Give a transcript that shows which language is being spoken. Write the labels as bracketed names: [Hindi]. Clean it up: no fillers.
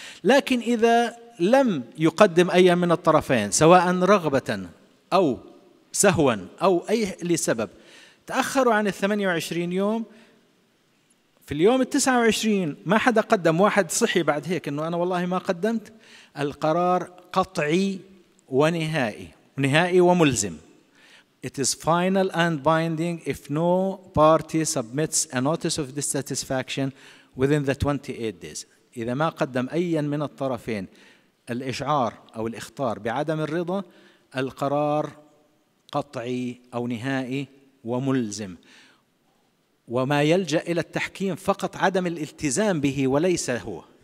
[Arabic] لكن إذا لم يقدم أي من الطرفين سواء رغبة أو سهوا أو أي لسبب تأخروا عن 28 يوم، في اليوم 29 ما حدا قدم، واحد صحي بعد هيك أنه أنا والله ما قدمت، القرار قطعي ونهائي، نهائي وملزم. [English] It is final and binding if no party submits a notice of dissatisfaction within the 28 days. [Arabic] إذا ما قدم أي من الطرفين الإشعار أو الإخطار بعدم الرضا، القرار قطعي أو نهائي وملزم. وما يلجأ إلى التحكيم فقط عدم الالتزام به وليس هو.